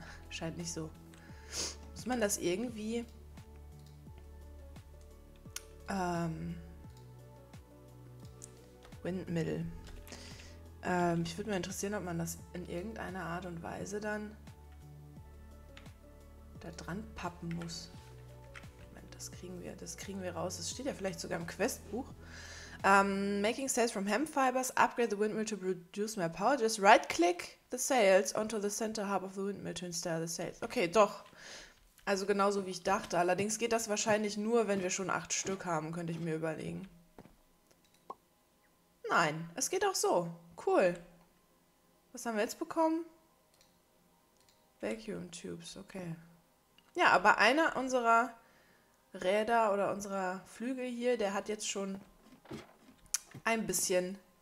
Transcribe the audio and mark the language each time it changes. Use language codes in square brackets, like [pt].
[de] Scheint nicht so. Muss man das irgendwie Windmill. Ich würde mich interessieren, ob man das in irgendeiner Art und Weise dann da dran pappen muss. Moment, das kriegen wir raus. Das steht ja vielleicht sogar im Questbuch. [en] Making sails from hemp fibers, upgrade the windmill to produce more power. Just right-click the sails onto the center hub of the windmill to install the sails. [de] Okay, doch. Also genauso wie ich dachte. Allerdings geht das wahrscheinlich nur, wenn wir schon 8 Stück haben, könnte ich mir überlegen. Nein, es geht auch so. Cool. Was haben wir jetzt bekommen? Vacuum Tubes, okay. Ja, aber einer unserer Räder oder unserer Flügel hier, der hat jetzt schon. Ein bisschen.